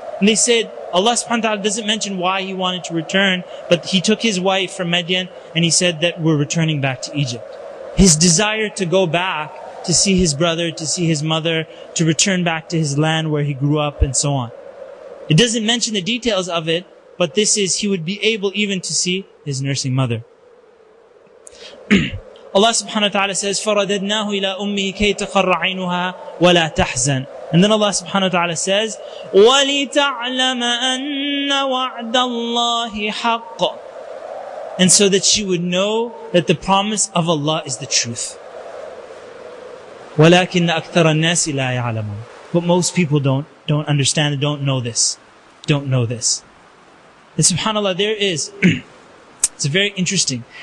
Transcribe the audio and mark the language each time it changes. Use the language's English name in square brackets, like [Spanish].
[English] And they said, Allah subhanahu wa ta'ala doesn't mention why he wanted to return, but he took his wife from Midian and he said that we're returning back to Egypt. His desire to go back to see his brother, to see his mother, to return back to his land where he grew up and so on. It doesn't mention the details of it, but this is, he would be able even to see his nursing mother. Allah subhanahu wa ta'ala says, [Arabic] فَرَدَدْنَاهُ إِلَىٰ أُمِّهِ كَيْ تَقَرَّ عَيْنُهَا وَلَا تَحْزَنُ. [English] And then Allah subhanahu wa ta'ala says, [Arabic] وَلِتَعْلَمَ أَنَّ وَعْدَ اللَّهِ حَقَّ. [English] And so that she would know that the promise of Allah is the truth. [Arabic] وَلَكِنَّ أَكْثَرَ النَّاسِ لَا يَعْلَمُونَ. [English] But most people don't understand, don't know this. And subhanAllah, there is It's very interesting.